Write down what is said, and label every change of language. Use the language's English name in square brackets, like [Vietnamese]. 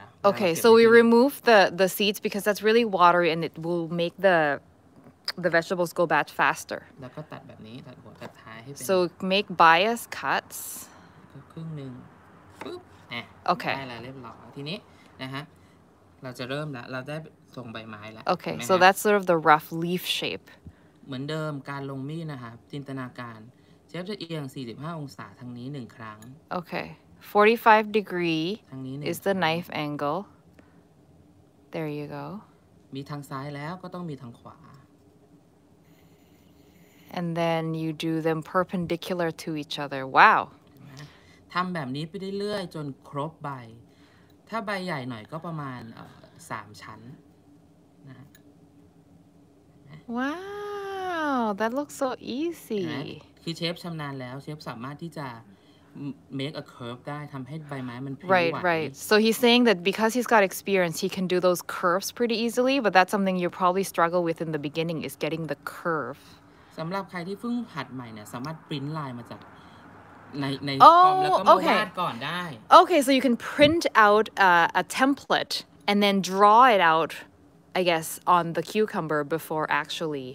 [English] Okay, so we remove the seeds because that's really watery and it will make the the vegetables go bad faster. [Thai] แล้วก็ตัดแบบนี้ตัดหัวตัดท้ายให้เป็น [English] So make bias cuts. [Thai] ครึ่งนึงปุ๊บนะ [English] Okay. [Thai] ได้แล้วเรียบร้อยทีนี้นะฮะเราจะเริ่มแล้วเราได้ทรงใบไม้แล้ว [English] Okay. So that's sort of the rough leaf shape. [Thai] เหมือนเดิมการลงมีดนะฮะจินตนาการเชฟจะเอียง45องศาทางนี้1ครั้ง [English] Okay. 45 degree is the knife angle. There you go. [Thai] มีทางซ้ายแล้วก็ต้องมีทางขวา [English] And then you do them perpendicular to each other. Wow. [Thai] ทำแบบนี้ไปเรื่อยๆจนครบใบถ้าใบใหญ่หน่อยก็ประมาณ3ชั้นนะ [English] Wow, that looks so easy. [Thai] คือเชฟชำนาญแล้วเชฟสามารถที่จะ [English] make a curve [Thai] ได้ทำให้ใบไม้มัน พลิ้วไหว [English] Right. So he's saying that because he's got experience, he can do those curves pretty easily, but that's something you probably struggle with in the beginning is getting the curve. [Thai] สำหรับใครที่เพิ่งหัดใหม่เนี่ยสามารถ [English] print line [Thai] มาจากใน คอม แล้วก็วาดก่อนได้ [English] Okay, so you can print out a template and then draw it out, I guess, on the cucumber before actually